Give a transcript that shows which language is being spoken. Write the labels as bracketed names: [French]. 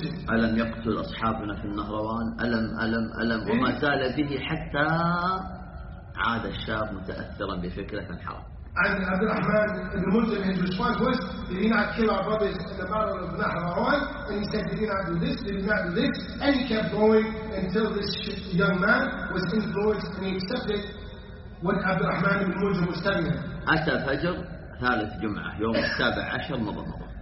[Arabic] ألم يقتل أصحابنا في النهروان؟ ألم وما زال به حتى عاد الشاب متأثرا بفكرة الحرب. [English] And Abu Ahmad, the Muslim, his response was, "Did he not kill our brothers in the battle of Nahrawan?" And he said, "Did he not do this? Did he not do this?" And he kept going until this young man was influenced and he accepted what Abu Ahmad ibn Muslim was telling him. [Arabic] أتى فجر ثالث جمعة يوم السابع عشر من رمضان.